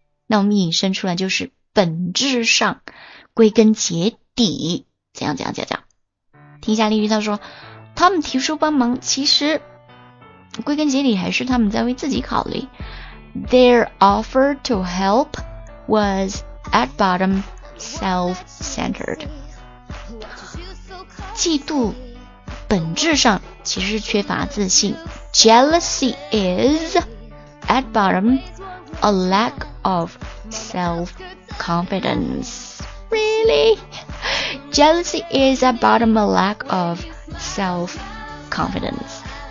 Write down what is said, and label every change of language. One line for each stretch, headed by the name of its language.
Chinese: 那我们引申出来就是本质上，归根结底，怎样怎样怎样。听一下例句，他说 Tom 提出帮忙，其实归根结底还是他们在为自己考虑。
English: Their offer to help was at bottom self-centered.
Chinese: 嫉妒本质上其实缺乏自信。
English: Jealousy is at bottom a lack of self-confidence. Really? Jealousy is at bottom a lack of self-confidence.